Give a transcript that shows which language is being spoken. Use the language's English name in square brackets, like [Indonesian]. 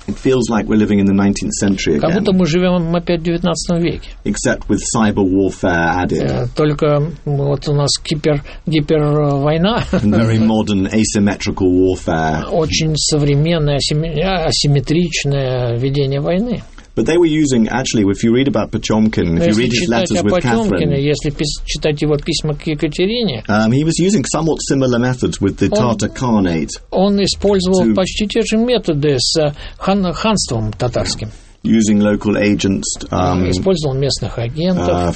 [English] It feels like we're living in the 19th century again. [Russian] Как будто мы живем опять в 19 веке. [English] Except with cyber warfare added. [Russian] Только вот у нас гипервойна. [English] Very modern asymmetrical warfare. [Russian] Очень современное асимметричное ведение войны. [English] But they were using, actually, if you read about Potemkin, if you read his letters with Catherine, [Russian] если читать его письма к Екатерине, [English] he was using somewhat similar methods with the Tatar Khanate. [Russian] Он использовал почти те же методы с ханством татарским. [English] Using local agents. [Russian] Использовал местных агентов.